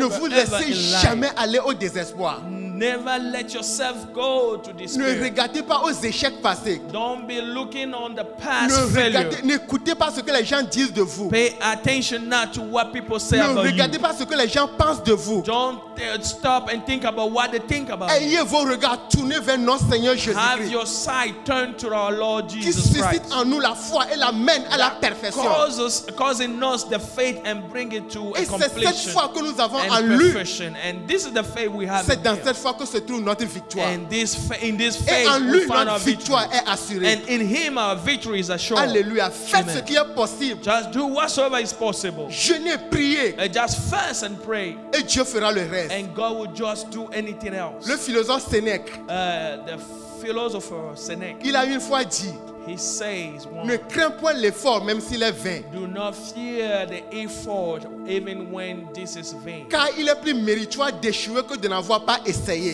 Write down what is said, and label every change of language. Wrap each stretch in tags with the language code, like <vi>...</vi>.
<fr>ne vous laissez jamais aller au désespoir.</fr> <en>Never let yourself go to despair.</en> <fr>Ne regardez pas aux échecs passés.</fr> <en>Don't be looking on the past</en> <fr>ne regardez,</fr> <en>failure.</en> <fr>N'écoutez pas ce que les gens disent de vous.</fr> <en>Pay attention not to what people say</en> <fr>ne</fr> <en>about you.</en> <fr>Ne regardez pas ce que les gens pensent de vous.</fr> <en>Don't stop and think about what they think about</en> <fr>ayez</fr> <en>you.</en> <fr>Ayez vos regards tournés vers notre Seigneur Jésus-Christ.</fr> <en>Have your sight turned to our Lord Jesus Christ.</en> <fr>Qui suscite Christ. En nous la foi et la mène à la perfection.</fr> <en>Causing us the faith and bring it to</en> <fr>et</fr> <en>a completion.</en> <fr>Et c'est cette foi que nous avons en lui.</fr> <en>And this is the faith we have</en> <fr>c'est</fr> <en>in here.</en> <fr>Que se trouve notre victoire.</fr> <en>And this, in this faith,</en> <fr>et en lui,</fr> <en>we find</en> <fr>notre victoire est assurée.</fr> <en>And in him, our victory is assured.</en> <fr>Alléluia. Faites ce qui est possible.</fr> <en>Just do whatsoever is possible.</en> <fr>Jeûnez, priez.</fr> <en>Just fast and pray.</en> <fr>Et Dieu fera le reste.</fr> <en>And God will just do anything else.</en> <fr>Le philosophe Sénèque.</fr> <en>The philosopher Sénèque.</en> <fr>Il a une fois dit.</fr> <en>He says, one,</en> <fr>ne crains point l'effort, même s'il est vain.</fr> <en>Do not fear the effort, even when this is vain.</en> <fr>Car il est plus méritoire d'échouer que de n'avoir pas essayé.</fr>